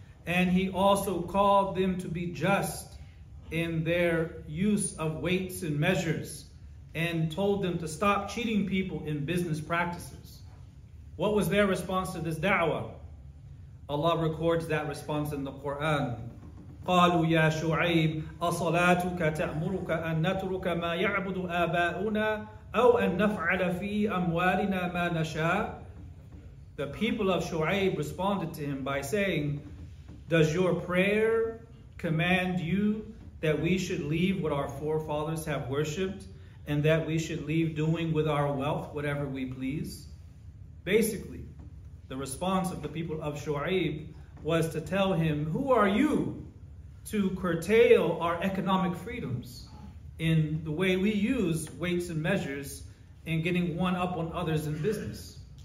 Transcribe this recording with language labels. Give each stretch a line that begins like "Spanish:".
English: And he also called them to be just in their use of weights and measures and told them to stop cheating people in business practices. What was their response to this da'wah? Allah records that response in the Quran.
Arabic: قالوا يا شعيب أصلاتك تأمرك أن نترك ما يعبد آباؤنا أو أن نفعل في أموالنا ما نشاء.
English: The people of Shu'aib responded to him by saying, does your prayer command you that we should leave what our forefathers have worshipped and that we should leave doing with our wealth whatever we please? Basically, the response of the people of Shu'aib was to tell him, who are you to curtail our economic freedoms in the way we use weights and measures in getting one up on others in business?